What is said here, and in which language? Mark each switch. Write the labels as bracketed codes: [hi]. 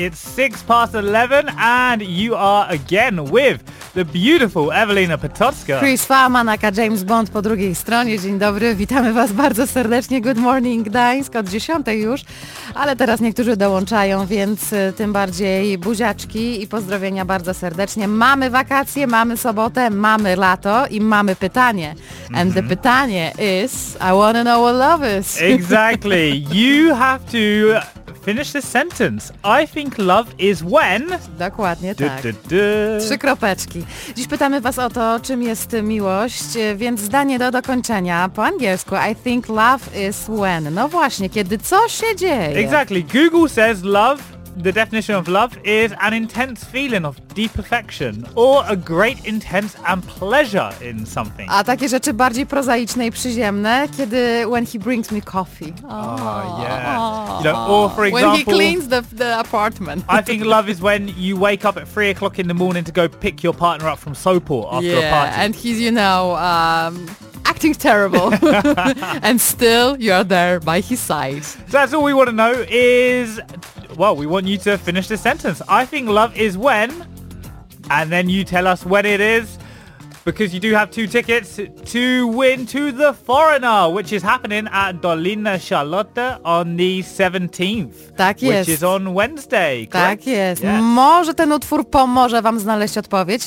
[en] It's 11:06 and you are again with the beautiful Evelina Potocka. Chris Farman, aka James Bond [pl] po drugiej stronie. Dzień dobry, witamy Was bardzo serdecznie. [en] Good morning, Gdańsk, [pl] od 10 już, ale teraz niektórzy dołączają, więc tym bardziej buziaczki i pozdrowienia bardzo serdecznie. Mamy wakacje, mamy sobotę, mamy lato i mamy pytanie. [en] And the pytanie is, I wanna know what love is. Exactly. You have to finish this sentence. I think love is when... [pl] Dokładnie tak. Trzy kropeczki. Dziś pytamy Was o to, czym jest miłość, więc zdanie do dokończenia po angielsku. [en] I think love is when. [pl] No właśnie, kiedy co się dzieje? [en] Exactly. Google says love, the definition of love is an intense feeling of deep affection or a great intense and pleasure in something. [pl] A takie rzeczy bardziej prozaiczne i przyziemne, kiedy [en] when he brings me coffee. You know, or for example, when he cleans the apartment. I think love is when you wake up at 3:00 in the morning to go pick your partner up from Soapport after a party. Yeah, and he's, you know, acting terrible and still you're there by his side. So that's all we want to know is, well, we want you to finish the sentence. I think love is when, and then you tell us when it is, because you do have two tickets to win to The Foreigner, which is happening at Dolina Charlotte on the 17th. [pl] Tak jest. [en] Which is on Wednesday, correct? [pl] Tak jest. Yes. Może ten utwór pomoże Wam znaleźć odpowiedź.